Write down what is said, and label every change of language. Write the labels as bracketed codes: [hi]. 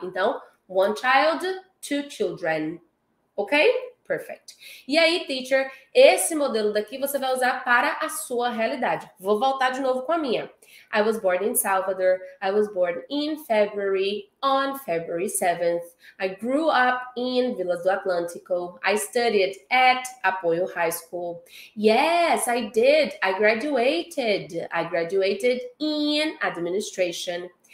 [en] Então, one child, two children. Ok? Perfect. [pt] E aí, teacher, esse modelo daqui você vai usar para a sua realidade. Vou voltar de novo com a minha. [en] I was born in Salvador. I was born in February, on February 7th. I grew up in Vilas do Atlântico. I studied at Apoio High School. Yes, I did. I graduated. I graduated in administration.